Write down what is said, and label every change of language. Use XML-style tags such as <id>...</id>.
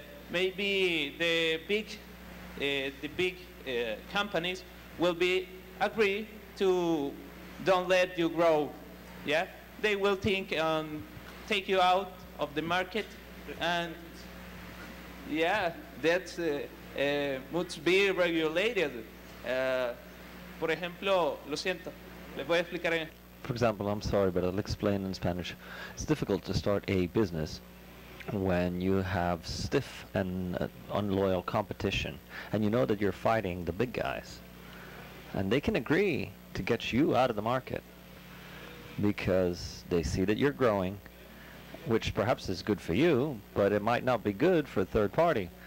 <en>Maybe the big companies will be agree to don't let you grow. Yeah, they will think and take you out of the market, and yeah, that's must be regulated.</en> <es>Por ejemplo, lo siento, les voy a explicar.</es> <en>For example, I'm sorry, but I'll explain in Spanish. It's difficult to start a business when you have stiff and unloyal competition, and you know that you're fighting the big guys, and they can agree to get you out of the market because they see that you're growing, which perhaps is good for you, but it might not be good for a third party.</en>